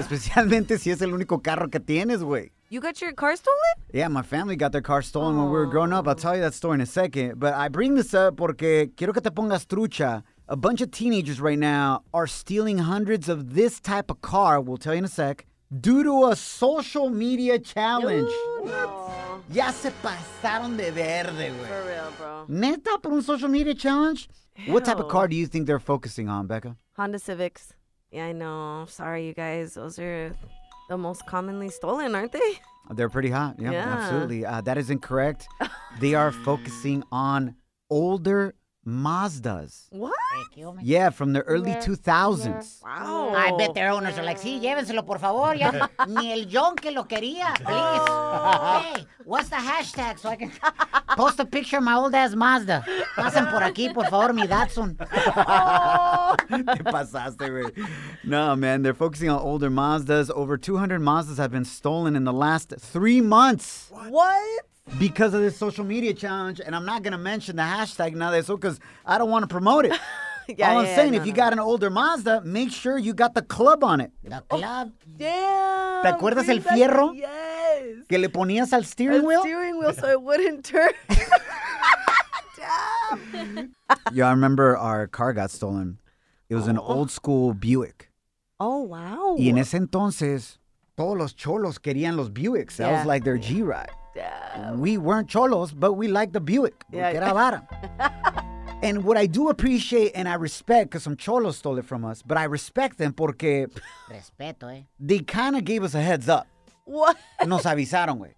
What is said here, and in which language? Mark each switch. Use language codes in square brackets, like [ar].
[es] Especialmente si es el único carro que tienes, güey. [en] You got your car stolen? Yeah, my family got their car stolen when we were growing up. I'll tell you that story in a second. But I bring this up porque quiero que te pongas trucha. A bunch of teenagers right now are stealing hundreds of this type of car, we'll tell you in a sec, due to a social media challenge. What? [es] Ya se pasaron de verde, güey. [en] For real, bro. [es] Neta, por un social media challenge? [en] Ew. What type of car do you think they're focusing on, Becca? Honda Civics. Yeah, I know. Sorry, you guys. Those are the most commonly stolen, aren't they? They're pretty hot. Yeah. Absolutely. That is incorrect. They are focusing on older Mazdas. What? Yeah, from the early 2000s. Wow. I bet their owners are like, sí, llévenselo, por favor. Ya. [es] Ni el John que lo quería, please. [en] Hey, what's the hashtag so I can post a picture of my old ass Mazda? [es] Pasen por aquí, por favor, mi Datsun. ¿Qué pasaste, güey? [en] No, man, they're focusing on older Mazdas. Over 200 Mazdas have been stolen in the last 3 months. What? Because of this social media challenge, and I'm not going to mention the hashtag now that's so, because I don't want to promote it. I'm saying, if you got an older Mazda, make sure you got the club on it. The club? Oh, damn. [es] ¿Te acuerdas el fierro? [en] Yes. [es] ¿Que le ponías al steering wheel? [en] Al steering wheel so it wouldn't turn. Damn. Yo, I remember our car got stolen. It was an old school Buick. Oh, wow. [es] Y en ese entonces, todos los cholos querían los Buicks. [en] That was like their G-Ride. Damn. We weren't cholos, but we liked the Buick. And what I do appreciate and I respect, because some cholos stole it from us, but I respect them porque [es] respeto, [en] they kind of gave us a heads up. What? [es] Nos avisaron, güey.